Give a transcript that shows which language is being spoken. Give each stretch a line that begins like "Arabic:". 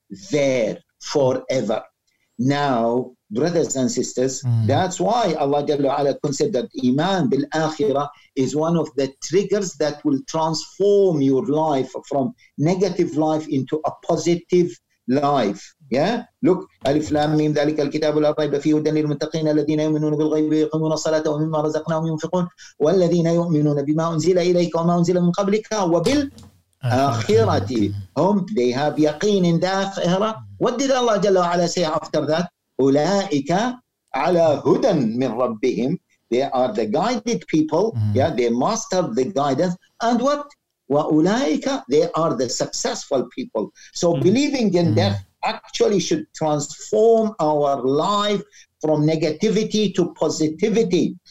English: There, forever. Now, brothers and sisters, that's why Allah Jalla wa'ala considered Iman bil Akhirah is one of the triggers that will transform your life from negative life into a positive life. Yeah?
Arabic: Look, Alif Lam Mim, ذلك الكتاب لا ريب فيه هدى للمتقين الذين يؤمنون بالغيب ويقيمون الصلاة ومما رزقناهم ينفقون والذين يؤمنون بما أنزل إليك وما أنزل من قبلك وبال آخرة هم
English: they have
Arabic: يقين
English: in the Akhirah. What did Allah Jalla wa'ala say after that?
Arabic: أولئك على هدى من ربهم.
English: They are the guided people. Yeah, they mastered the guidance. And what? وأولئك, they are the successful people. So believing in death actually should transform our life from negativity to positivity.